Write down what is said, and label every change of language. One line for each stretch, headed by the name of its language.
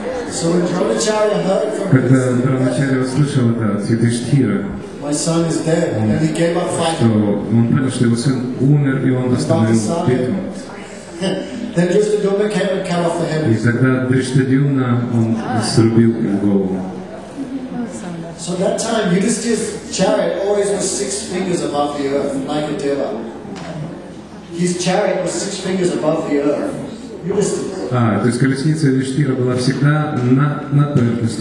English: So when Dronacharya heard from
Russian: когда Dronacharya услышал это от Юдхиштхира,
English: my son is dead, and he gave up fighting.
Russian: Он понял, что его сын умер, и он остановил битву.
English: Then just the Duma came and cut off the head.
Russian: И тогда Дриштадюмна он срубил ему голову.
English: So that time Yudhishthira's chariot always was six fingers above the earth, like a deva. His chariot was six fingers above the earth.
Russian: То есть колесница Юдхиштхира была всегда на поверхности